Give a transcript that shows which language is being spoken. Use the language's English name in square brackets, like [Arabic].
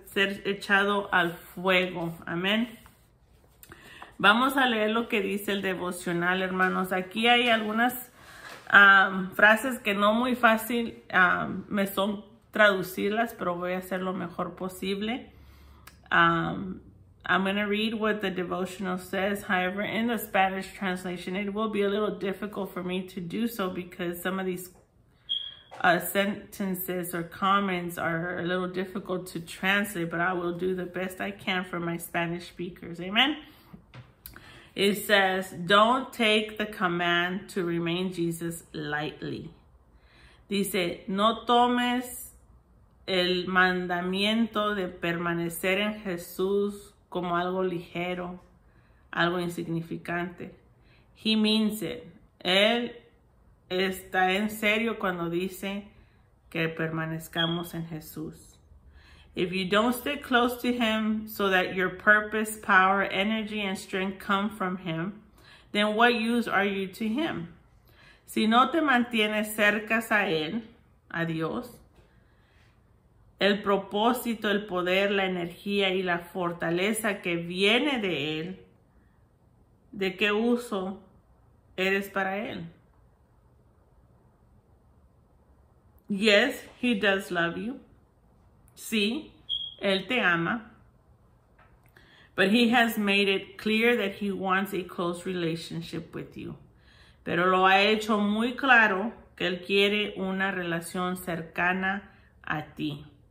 [Spanish] Ser echado al fuego. Amén. Vamos a leer lo que dice el devocional, hermanos. Aquí hay algunas frases que no muy fácil me son traducirlas, pero voy a hacer lo mejor posible. [English] I'm going to read what the devotional says. However, in the Spanish translation, it will be a little difficult for me to do so because some of these sentences or comments are a little difficult to translate, but I will do the best I can for my Spanish speakers. Amen. It says, don't take the command to remain Jesus lightly. [Spanish] Dice, no tomes el mandamiento de permanecer en Jesús como algo ligero, algo insignificante. [English] He means it. [Spanish] Él está en serio cuando dice que permanezcamos en Jesús. [English] If you don't stay close to Him so that your purpose, power, energy, and strength come from Him, then what use are you to Him? [Spanish] Si no te mantienes cerca a Él, a Dios, El propósito, el poder, la energía y la fortaleza que viene de Él, ¿de qué uso eres para Él? [English] Yes, He does love you. [Spanish] Sí, Él te ama. [English] But He has made it clear that He wants a close relationship with you. [Spanish] Pero lo ha hecho muy claro que Él quiere una relación cercana a ti.